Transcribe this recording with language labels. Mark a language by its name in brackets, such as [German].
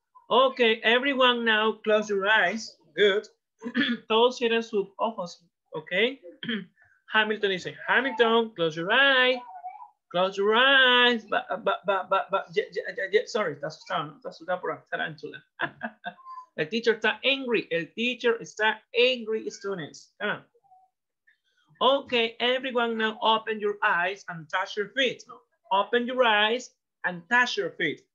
[English] Okay, everyone now close your eyes. Good. [Spanish] Todos cierren sus ojos, [English] okay? [Spanish] Hamilton dice, Hamilton, [English] close your eyes. Close your eyes. But sorry, [Spanish] está asustado, ¿no? Está asustado por la tarántula. El [English] teacher [Spanish] está [English] angry. [Spanish] El teacher está angry, [English] students. Come on. Okay, everyone now open your eyes and touch your feet. No? Open your eyes and touch your feet.